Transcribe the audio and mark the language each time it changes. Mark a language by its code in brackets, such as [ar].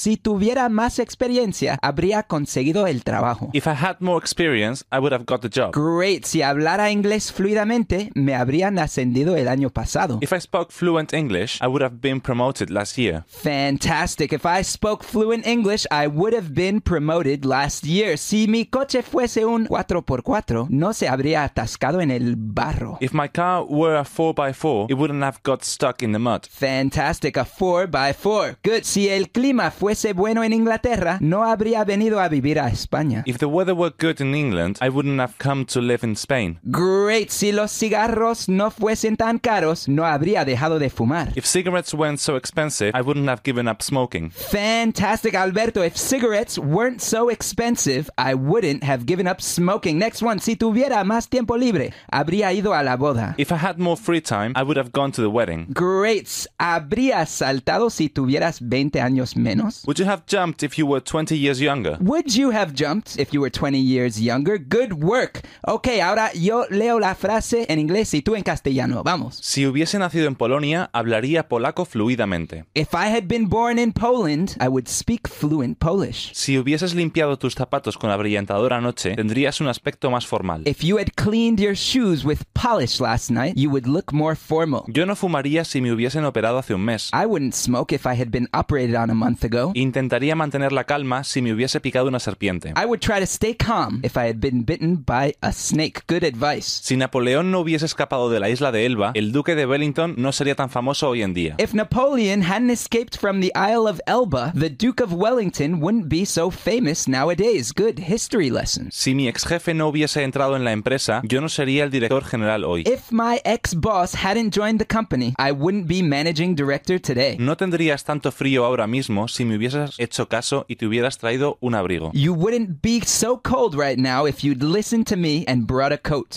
[es] Si tuviera más experiencia, habría conseguido el trabajo. [en] If I had more experience, I would have got the job. Great. [es] Si hablara inglés fluidamente, me habrían ascendido el año pasado. [en] If I spoke fluent English, I would have been promoted last year. Fantastic. If I spoke fluent English, I would have been promoted last year. [es] Si mi coche fuese un 4x4, no se habría atascado en el barro. [en] If my car were a 4x4, it wouldn't have got stuck in the mud. Fantastic, a 4x4. Good. [es] Si el clima fuese bueno en Inglaterra, no habría venido a vivir a España. [en] If the weather were good in England, I wouldn't have come to live in Spain. Great. [es] Si los cigarros no fuesen tan caros, no habría dejado de fumar. [en] If cigarettes weren't so expensive, I wouldn't have given up smoking. Fantastic, Alberto. If cigarettes weren't so expensive, I wouldn't have given up smoking. Next one. [es] Si tuviera más tiempo libre, habría ido a la boda. [en] If I had more free time, I would have gone to the wedding. [es] Great. ¿Habrías saltado si tuvieras 20 años menos? [en] Would you have jumped if you were 20 years younger? Would you have jumped if you were 20 years younger? Good work. [es] Ok, ahora yo leo la frase en inglés y tú en castellano. Vamos. Si hubiese nacido en Polonia, hablaría polaco fluidamente. [en] If I had been born in Poland, I would speak fluent Polish. [es] Si hubieses limpiado tus zapatos con la brillantadora anoche, tendrías un aspecto más formal. [en] If you had cleaned your shoes with polish last night, you would look more formal. [es] Yo no fumaría si me hubiesen operado hace un mes. [en] I wouldn't smoke if I had been operated on a month ago. [es] Intentaría mantener la calma si me hubiese picado una serpiente. [en] I would try to stay calm if I had been bitten by a snake. Good advice. [es] Si Napoleón no hubiese escapado de la isla de Elba, el duque de Wellington no sería tan famoso hoy en día. [en] If Napoleon hadn't escaped from the Isle of Elba, the Duke of Wellington wouldn't be so famous nowadays. Good history lesson. [es] Si mi ex jefe no hubiese entrado en la empresa, yo no sería el director general hoy. [en] If my ex-boss hadn't joined the company, I wouldn't be managing director today. [es] No tendrías tanto frío ahora mismo si me hubieses hecho caso y te hubieras traído un abrigo. [en] You wouldn't be so cold right now if you'd listened to me and brought a coat.